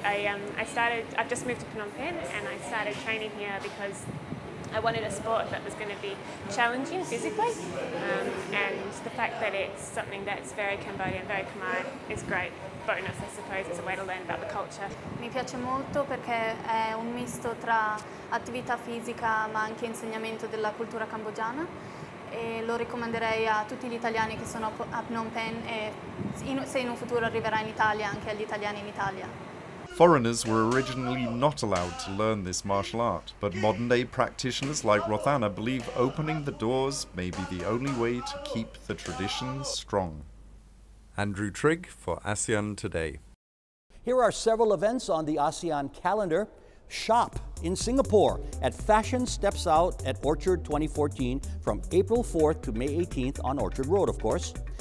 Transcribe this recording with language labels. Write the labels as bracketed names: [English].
[English] I've just moved to Phnom Penh and I started training here because I wanted a sport that was going to be challenging physically. And the fact that it's something that's very Cambodian, very Khmer, is great. Bonus, I suppose, is a way to learn about the culture. [Italian] Mi piace molto perché è un misto tra attività fisica ma anche insegnamento della cultura cambogiana. E lo ricomanderei a tutti gli italiani che sono a Phnom Penh e se in un futuro arriverà in Italia, anche agli italiani in Italia. [English] Foreigners were originally not allowed to learn this martial art, but modern-day practitioners like Rothana believe opening the doors may be the only way to keep the tradition strong. Andrew Trigg for ASEAN Today. Here are several events on the ASEAN calendar. Shop in Singapore at Fashion Steps Out at Orchard 2014 from April 4th to May 18th on Orchard Road, of course.